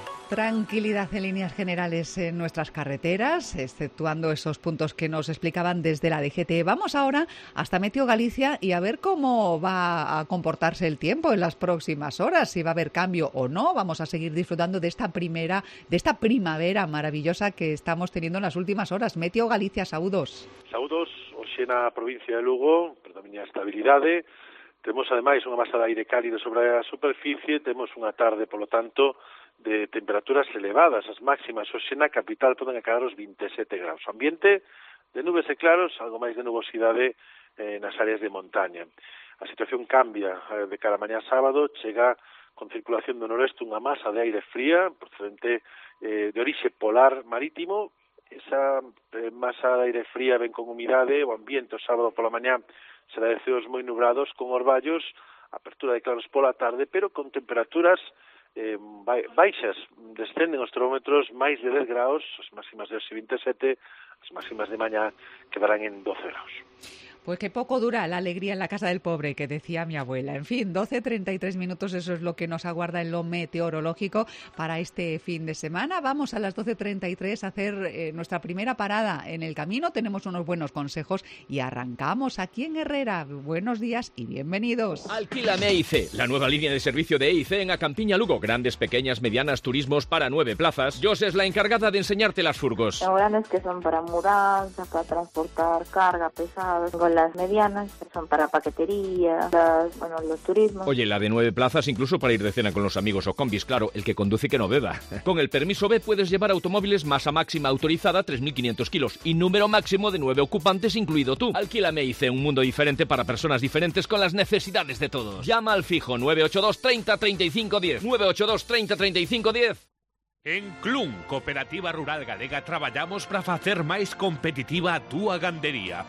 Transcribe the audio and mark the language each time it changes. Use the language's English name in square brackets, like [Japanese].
[Spanish] Tranquilidad en líneas generales en nuestras carreteras, exceptuando esos puntos que nos explicaban desde la DGT. Vamos ahora hasta Meteo Galicia y a ver cómo va a comportarse el tiempo en las próximas horas, si va a haber cambio o no. Vamos a seguir disfrutando de esta primavera maravillosa que estamos teniendo en las últimas horas. Meteo Galicia, saludos. [Galician] Saludos, hoxe na provincia de Lugo, pero tamén a estabilidade. Temos ademais unha masa de aire cálido sobre a superficie, temos unha tarde, polo tanto, de temperaturas elevadas. As máximas hoxe na capital poden acabar os 27 graus. O ambiente de nubes e claros, algo máis de nubosidade nas áreas de montaña. A situación cambia de cara a mañá sábado, chega con circulación do noroeste unha masa de aire fría procedente de orixe polar marítimo. Esa masa de aire fría ven con humidade, o ambiente o sábado pola mañá será de ceos moi nubrados con orballos, apertura de claros pola tarde, pero con temperaturas baixas, descenden os termómetros máis de 10 graus, as máximas de hoxe 27, as máximas de mañá quedarán en 12 graus. [Spanish] Pues que poco dura la alegría en la casa del pobre, que decía mi abuela. En fin, 12:33 minutos, eso es lo que nos aguarda en lo meteorológico para este fin de semana. Vamos a las 12:33 a hacer nuestra primera parada en el camino. Tenemos unos buenos consejos y arrancamos aquí en Herrera. Buenos días y bienvenidos. Alquílame EIC, la nueva línea de servicio de EIC en Acampiña, Lugo. Grandes, pequeñas, medianas, turismos para 9 plazas. Jos es la encargada de enseñarte las furgos. Las grandes que son para mudanza, para transportar carga pesada. Las medianas son para paquetería, los turismos. Oye, la de 9 plazas incluso para ir de cena con los amigos o combis, claro, el que conduce que no beba. Con el permiso B puedes llevar automóviles masa máxima autorizada 3.500 kilos y número máximo de 9 ocupantes incluido tú. Alquílame EIC, un mundo diferente para personas diferentes con las necesidades de todos. Llama al fijo 982 30 35 10. 982 30 35 10. [Galician] En CLUM, Cooperativa Rural Galega, traballamos para facer máis competitiva a túa gandería.